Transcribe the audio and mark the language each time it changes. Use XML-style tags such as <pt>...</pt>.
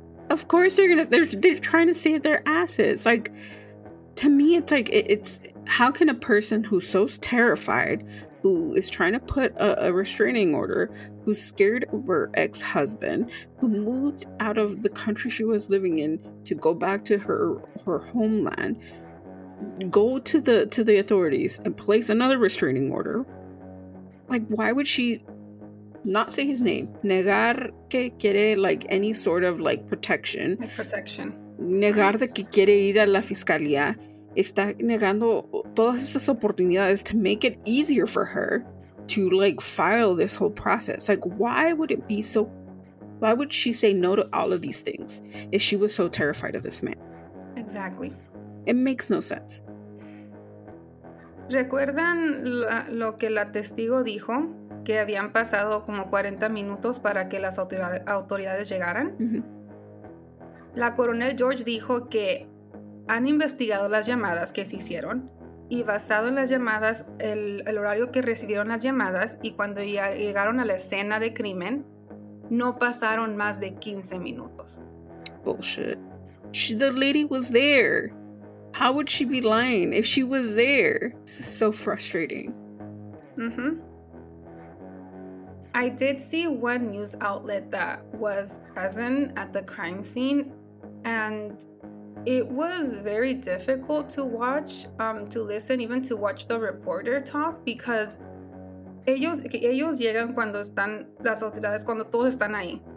<en>Of course they're gonna, they're trying to save their asses. Like, to me, it's like, it's, how can a person who's so terrified, who is trying to put a restraining order, who's scared of her ex-husband, who moved out of the country she was living in to go back to her homeland, go to the authorities and place another restraining order? Like, why would she not say his name? Negar que quiere, like, any sort of, like, protection. Like protection.</en> <es>Negar de que quiere ir a la fiscalía.</es> <en>Está negando todas estas oportunidades to make it easier for her to, like, file this whole process. Like, why would she say no to all of these things if she was so terrified of this man? Exactly. It makes no sense.</en> <es>¿Recuerdan lo que la testigo dijo? Que habían pasado como 40 minutos para que las autoridades llegaran. Mm-hmm. La coronel George dijo que han investigado las llamadas que se hicieron y basado en las llamadas, el horario que recibieron las llamadas y cuando ya llegaron a la escena de crimen, no pasaron más de 15 minutos.</es> <en>Bullshit. The lady was there. How would she be lying if she was there? This is so frustrating. Mm-hmm. I did see one news outlet that was present at the crime scene and it was very difficult to watch, to listen, even to watch the reporter talk, because ellos llegan cuando están las autoridades, cuando todos están ahí.</en>